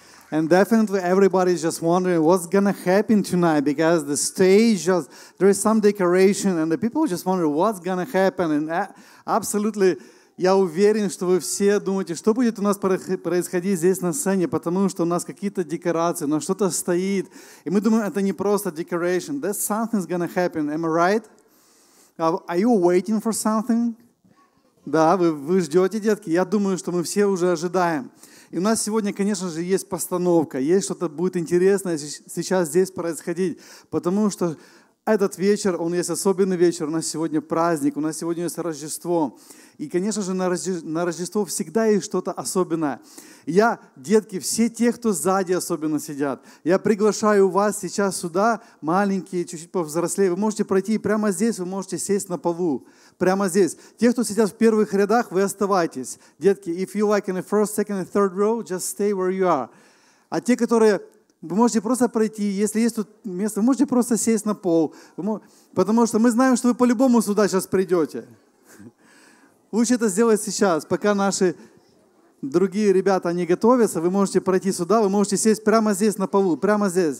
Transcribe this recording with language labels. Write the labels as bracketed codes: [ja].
[en] And definitely everybody's just wondering what's going to happen tonight, because the stage, just, there is some decoration and the people just wonder what's going to happen. And absolutely, [ru] я уверен, что вы все думаете, что будет у нас происходить здесь на сцене, потому что у нас какие-то декорации, у нас что-то стоит. И мы думаем, это не просто [en] decoration. That something's going to happen. Am I right? Are you waiting for something? [ru] Да, вы ждете, детки? Я думаю, что мы все уже ожидаем. И у нас сегодня, конечно же, есть постановка, есть что-то будет интересное сейчас здесь происходить, потому что этот вечер, он есть особенный вечер, у нас сегодня праздник, у нас сегодня есть Рождество. И, конечно же, на Рождество всегда есть что-то особенное. Я, детки, все те, кто сзади особенно сидят, я приглашаю вас сейчас сюда, маленькие, чуть-чуть повзрослее, вы можете пройти, и прямо здесь вы можете сесть на полу. Прямо здесь. Те, кто сидят в первых рядах, вы оставайтесь. Детки, [en] if you like in the first, second and third row, just stay where you are. [ru] А те, которые... Вы можете просто пройти, если есть тут место, вы можете просто сесть на пол. Потому что мы знаем, что вы по-любому сюда сейчас придете. Лучше это сделать сейчас, пока наши другие ребята, они готовятся. Вы можете пройти сюда, вы можете сесть прямо здесь на полу, прямо здесь.